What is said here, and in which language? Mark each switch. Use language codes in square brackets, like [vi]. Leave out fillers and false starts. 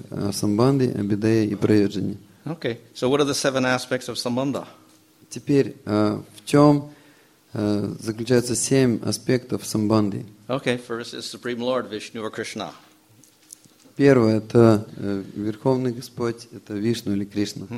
[ru] О самбанде, абидея и прайоджане. [en] Okay. So what are the seven aspects of sambandha? [ru] Теперь, в чем заключаются семь аспектов самбанды? [en] Okay. First is Supreme Lord, Vishnu or Krishna. [ru] Первое – это Верховный Господь, это Вишну или Кришна.